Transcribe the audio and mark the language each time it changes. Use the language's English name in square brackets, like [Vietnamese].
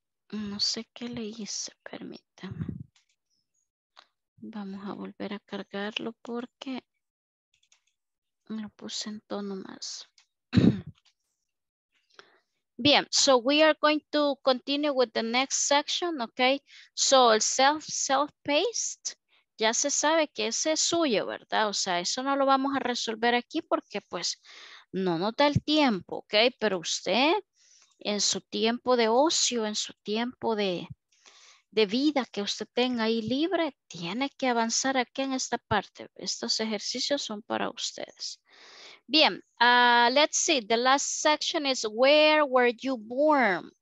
[Spanish] No sé qué le hice, permítanme. Vamos a volver a cargarlo porque me lo puse en tono más. [English] Bien, so we are going to continue with the next section, okay? [Spanish] So el self-paced, ya se sabe que ese es suyo, ¿verdad? O sea, eso no lo vamos a resolver aquí porque pues no nos da el tiempo, okay? Pero usted en su tiempo de ocio, en su tiempo de vida que usted tenga ahí libre, tiene que avanzar aquí en esta parte. Estos ejercicios son para ustedes. Bien, [English] let's see. The last section is where were you born?